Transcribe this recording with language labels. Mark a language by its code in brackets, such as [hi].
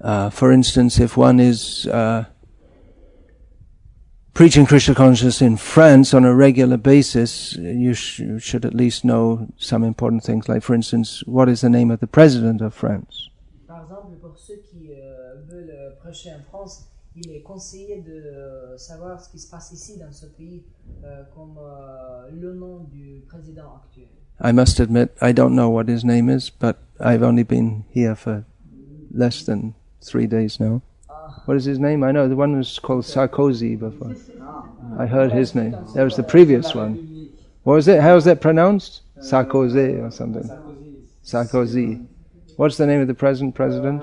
[en] For instance, if one is preaching Krishna consciousness in France on a regular basis, you should at least know some important things, like, for instance, what is the name of the president of France? [fr] Par exemple, pour ceux qui veulent prêcher en France, il est conseillé de savoir ce qui se passe ici dans ce pays, comme le nom du président actuel. [en] I must admit, I don't know what his name is, but I've only been here for less than 3 days now. What is his name? I know the one was called Sarkozy before. I heard his name. That was the previous one. What was it? How is that pronounced? Sarkozy or something. Sarkozy. What's the name of the present president?